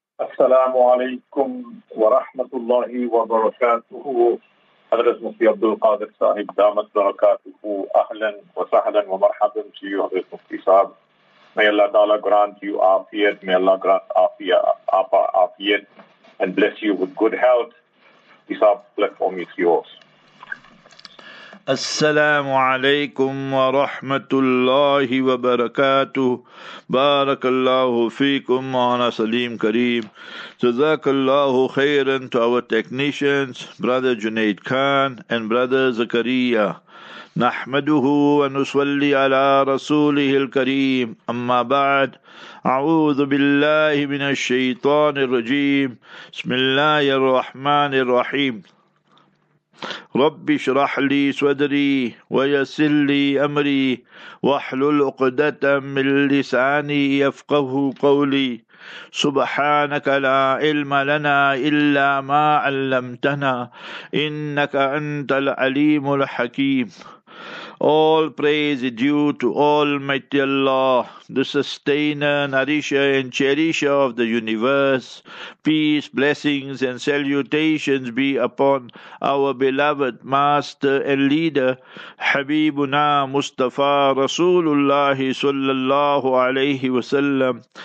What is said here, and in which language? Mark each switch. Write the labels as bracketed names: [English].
[Arabic] السلام عليكم ورحمة الله وبركاته. حضرت مفتي عبد القادر صاحب دامت بركاته، أهلا وسهلا ومرحبا فيو حضرت مفتي صاحب. [English] May Allah Ta'ala grant you afiyat. May Allah grant afiyat and bless you with good health. This platform is yours. [Arabic] السلام عليكم ورحمة الله وبركاته. بارك الله فيكم معنا سليم كريم. [English] جزاك الله خيرا to our technicians, brother Junaid Khan and brother زكريا. [Arabic] نحمده ونصلي على رسوله الكريم. أما بعد، أعوذ بالله من الشيطان الرجيم. بسم الله الرحمن الرحيم. رب اشرح لي صدري ويسر لي امري واحلل عقدة من لساني يفقه قولي سبحانك لا علم لنا الا ما علمتنا انك انت العليم الحكيم. [English] All praise is due to Almighty Allah, the sustainer, nourisher and cherisher of the universe. Peace, blessings and salutations be upon our beloved master and leader, Habibuna Mustafa Rasulullah sallallahu alayhi wa sallam.